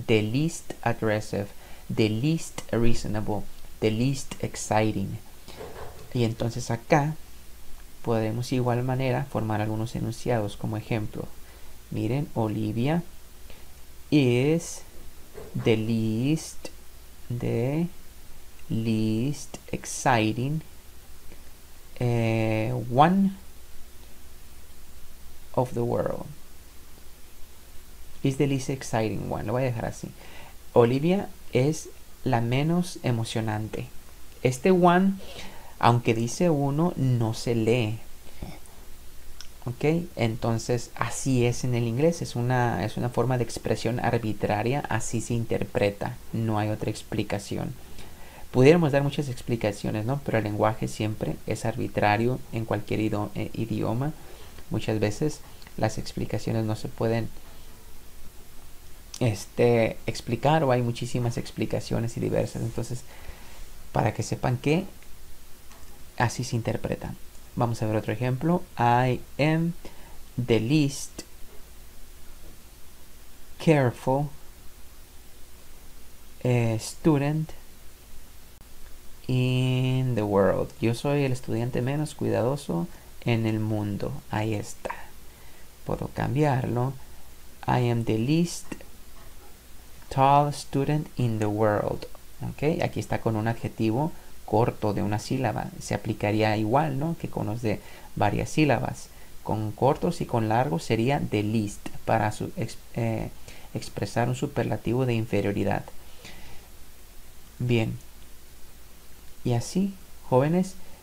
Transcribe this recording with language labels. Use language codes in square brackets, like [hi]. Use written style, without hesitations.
[en] The least aggressive, the least reasonable, the least exciting. [es] Y entonces acá podemos de igual manera formar algunos enunciados como ejemplo. Miren, [en] Olivia is the least, the least exciting one of the world. Is the least exciting one. [es] Lo voy a dejar así. Olivia es la menos emocionante. Este one, aunque dice uno, no se lee. Ok, entonces así es en el inglés, es una forma de expresión arbitraria, así se interpreta, no hay otra explicación. Pudiéramos dar muchas explicaciones, ¿no? Pero el lenguaje siempre es arbitrario en cualquier idioma. Muchas veces las explicaciones no se pueden explicar, o hay muchísimas explicaciones y diversas. Entonces, para que sepan que así se interpreta. Vamos a ver otro ejemplo. [en] I am the least careful student in the world. [es] Yo soy el estudiante menos cuidadoso en el mundo. Ahí está. Puedo cambiarlo. [en] I am the least tall student in the world. [es] Okay, aquí está con un adjetivo corto de una sílaba. Se aplicaría igual, ¿no? Que con los de varias sílabas. Con cortos y con largos sería [en] the least [es] para expresar un superlativo de inferioridad. Bien. Y así, jóvenes,